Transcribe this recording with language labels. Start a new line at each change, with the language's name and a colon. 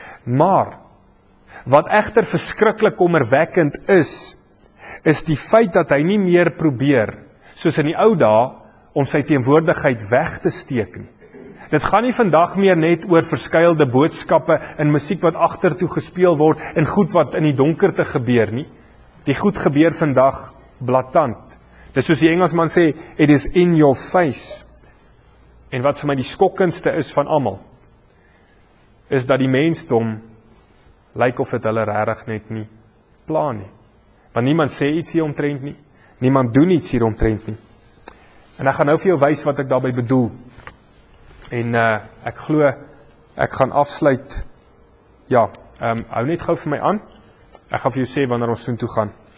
Afrikaans: Maar wat egter verskriklik kommerwekkend is die feit dat hy nie meer probeer soos in die ou dae om sy teenwoordigheid weg te steek nie. Dit gaan nie vandag meer net oor verskuilde boodskappe en musiek wat agtertoe gespeel word en goed wat in die donkerte gebeur nie. Die goed gebeur vandag blaatant. Dis soos die Engelsman sê,
English: it is in your face.
Afrikaans: En wat vir my die skokkendste is van almal, is dat die mensdom lyk of dit hulle regtig net nie pla nie. Want niemand sê iets hier omtrent nie. Niemand doen iets hier omtrent nie. En ek gaan nou vir jou wys wat ek daarby bedoel. En ek glo, ek gaan afsluit, ja, hou net gauw vir my aan, ek gaan vir jou sê wanneer ons soontoe gaan.